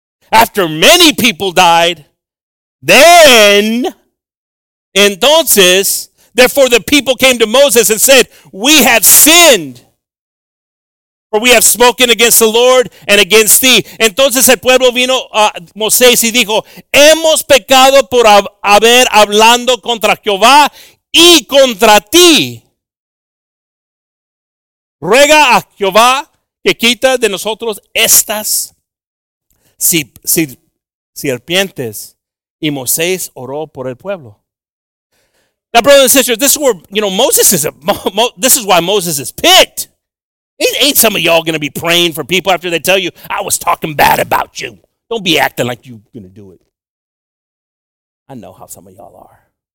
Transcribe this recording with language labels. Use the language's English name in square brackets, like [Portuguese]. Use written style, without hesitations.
[English] After many people died, then, entonces, therefore, the people came to Moses and said, we have sinned, for we have spoken against the Lord and against thee. [Spanish] Entonces, el pueblo vino a Moisés y dijo, hemos pecado por haber hablando contra Jehová y contra ti. Ruega a Jehová que quita de nosotros estas serpientes. Y Moisés oró por el pueblo. [English] Now, brothers and sisters, this is where, you know, Moses is, this is why Moses is picked. Ain't some of y'all going to be praying for people after they tell you, I was talking bad about you. Don't be acting like you're going to do it. I know how some of y'all are.